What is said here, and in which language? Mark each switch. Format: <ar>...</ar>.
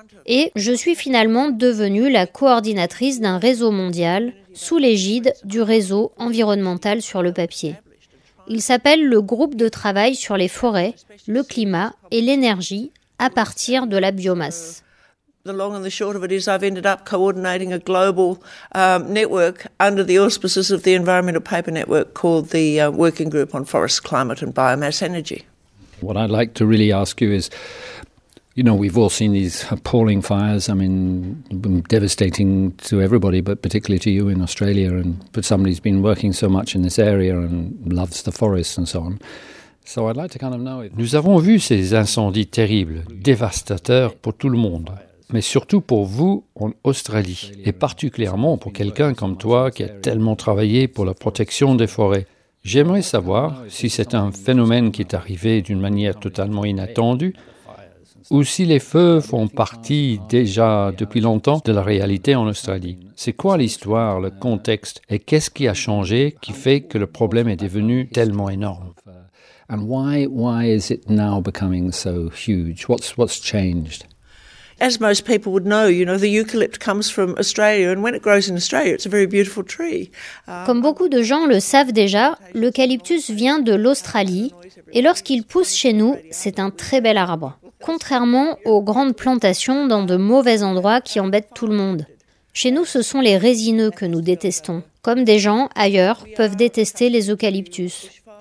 <fr>Et je suis finalement devenue la coordinatrice d'un réseau mondial sous l'égide du réseau environnemental sur le papier. Il s'appelle le groupe de travail sur les forêts, le climat et l'énergie à partir de la biomasse.</fr> <en>The long and the short of it is I've ended up coordinating a global network under the auspices of the Environmental Paper Network called the Working Group on Forests, Climate and Biomass Energy. What I'd like to really ask you is, you know, we've all seen these appalling fires, I mean, devastating to everybody, but particularly to you in Australia, and but somebody's been working so much in this area and loves the forests and so on. So I'd like to kind of know if...</en> <fr>Nous avons vu ces incendies terribles, dévastateurs pour tout le monde, mais surtout pour vous en Australie, et particulièrement pour quelqu'un comme toi qui a tellement travaillé pour la protection des forêts. J'aimerais savoir si c'est un phénomène qui est arrivé d'une manière totalement inattendue, ou si les feux font partie déjà depuis longtemps de la réalité en Australie. C'est quoi l'histoire, le contexte, et qu'est-ce qui a changé qui fait que le problème est devenu tellement énorme?</fr> <en>And why is it now becoming so huge? What's changed? As most people would know, you know, the eucalypt comes from Australia, and when it grows in Australia, it's a very beautiful tree.</en> <fr>Comme beaucoup de gens le savent déjà, l'eucalyptus vient de l'Australie, et lorsqu'il pousse chez nous, c'est un très bel arbre. Contrairement aux grandes plantations dans de mauvais endroits qui embêtent tout le monde. Chez nous, ce sont les résineux que nous détestons, comme des gens ailleurs peuvent détester les eucalyptus.</fr>